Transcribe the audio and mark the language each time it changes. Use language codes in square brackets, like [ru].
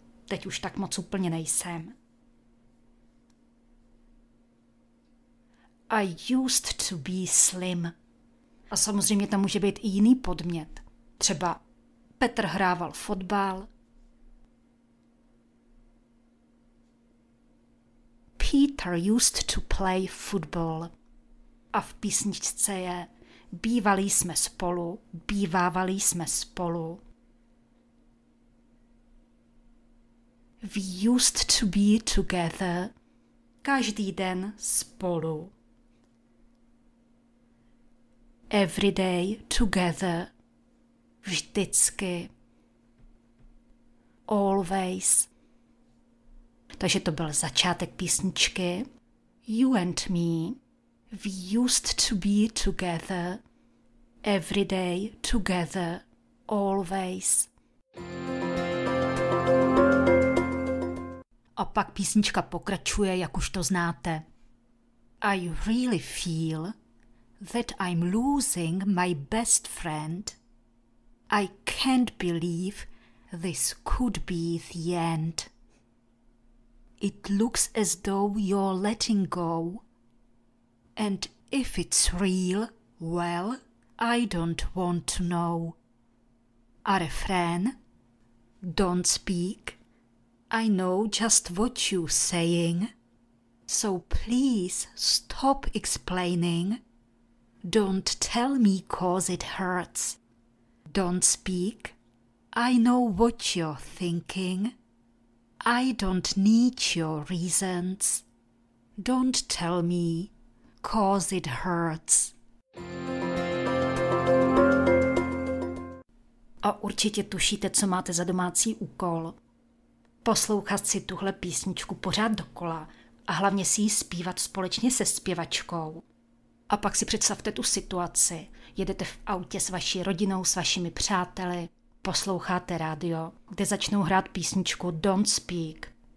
[cs] Teď už tak moc úplně nejsem. [en] I used to be slim. [cs] A samozřejmě tam může být i jiný podmět. Třeba Petr hrával fotbal. [en] Peter used to play football. [cs] A v písničce je bývali jsme spolu, bývávali jsme spolu. [en] We used to be together. [cs] Každý den spolu. [en] Every day together. [cs] Vždycky. [en] Always. [cs] Takže to byl začátek písničky. [en] You and me. We used to be together. Every day together. Always. [cs] A pak písnička pokračuje, jak už to znáte. [en] I really feel that I'm losing my best friend. I can't believe This could be the end. It looks as though you're letting go. And if it's real, well, I don't want to know. A refrain? Don't speak. I know just what you're saying. So please stop explaining. Don't tell me 'cause it hurts. Don't speak. I know what you're thinking. I don't need your reasons. Don't tell me 'cause it hurts. [cs] A určitě tušíte, co máte za domácí úkol. Poslouchat si tuhle písničku pořád dokola a hlavně si ji zpívat společně se zpěvačkou. A pak si představte tu situaci. Jedete v autě s vaší rodinou, s vašimi přáteli, posloucháte rádio, kde začnou hrát písničku Don't Speak.